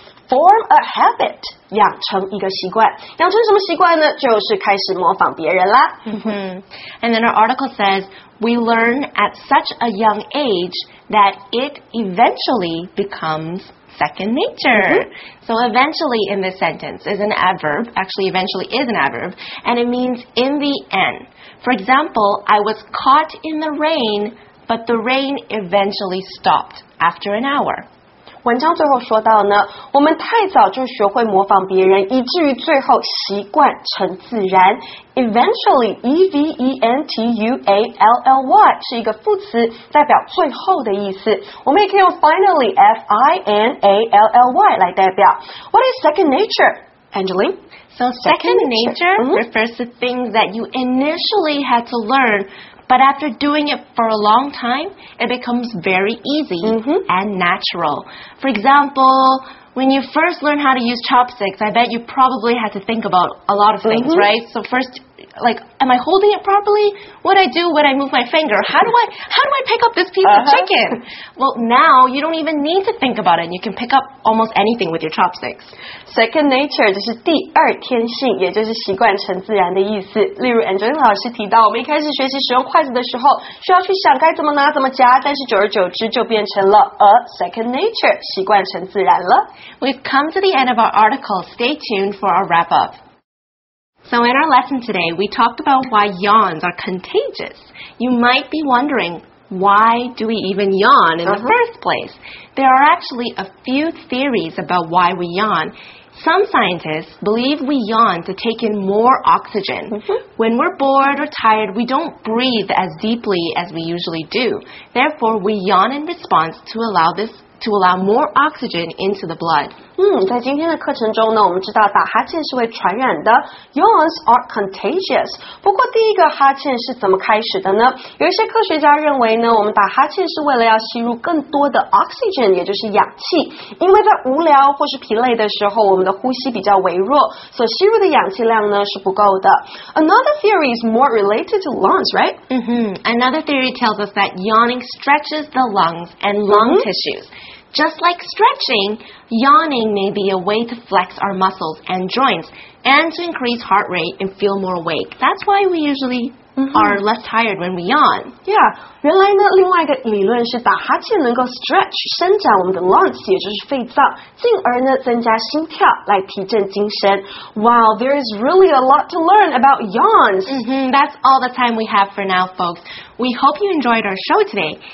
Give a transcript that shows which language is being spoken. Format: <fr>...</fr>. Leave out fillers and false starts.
<en>Form a habit,</en> <zh>养成一个习惯。养成什么习惯呢？就是开始模仿别人啦。</zh> <en>And then our article says, we learn at such a young age that it eventually becomes second nature. So eventually in this sentence is an adverb. Actually, eventually is an adverb. And it means in the end. For example, I was caught in the rain, but the rain eventually stopped after an hour.</en> <zh>文章最后说到呢，我们太早就学会模仿别人，以至于最后习惯成自然。 Eventually, E-V-E-N-T-U-A-L-L-Y 是一个副词，代表最后的意思。我们也可以用 finally, F-I-N-A-L-L-Y 来代表。</zh> <en>What is second nature, Angeline? So second nature refers to things that you initially had to learn, but after doing it for a long time, it becomes very easy and natural. For example, when you first learn how to use chopsticks, I bet you probably had to think about a lot of things, right? So first, like, am I holding it properly? What do I do when I move my finger? How do I pick up this piece of chicken? Well, now you don't even need to think about it. You can pick up almost anything with your chopsticks.</en> <zh>Second nature 就是第二天性，也就是习惯成自然的意思。例如 Angeline 老师提到，我们一开始学习使用筷子的时候，需要去想该怎么拿、怎么夹，但是久而久之就变成了 a second nature, 习惯成自然了。</zh> <en>We've come to the end of our article. Stay tuned for our wrap up. So in our lesson today, we talked about why yawns are contagious. You might be wondering, why do we even yawn in the first place? There are actually a few theories about why we yawn. Some scientists believe we yawn to take in more oxygen. When we're bored or tired, we don't breathe as deeply as we usually do. Therefore, we yawn in response to allow more oxygen into the blood.</en> <zh>在今天的课程中呢，我们知道打哈欠是会传染的。</zh> <en>Yawns are contagious.</en> <zh>不过第一个哈欠是怎么开始的呢？有一些科学家认为呢，我们打哈欠是为了要吸入更多的 oxygen, 也就是氧气。因为在无聊或是疲累的时候，我们的呼吸比较微弱，所吸入的氧气量呢是不够的。</zh> <en>Another theory is more related to lungs, right? Another theory tells us that yawning stretches the lungs and lung tissues. Just like stretching, yawning may be a way to flex our muscles and joints and to increase heart rate and feel more awake. That's why we usually are less tired when we yawn.</en> <zh>Yeah, 原来呢，另外一个理论是打哈欠能够 stretch, 伸展我们的 lungs, 也就是肺脏，进而呢增加心跳来提振精神。</zh> <en>Wow, there is really a lot to learn about yawns. That's all the time we have for now, folks. We hope you enjoyed our show today.</en>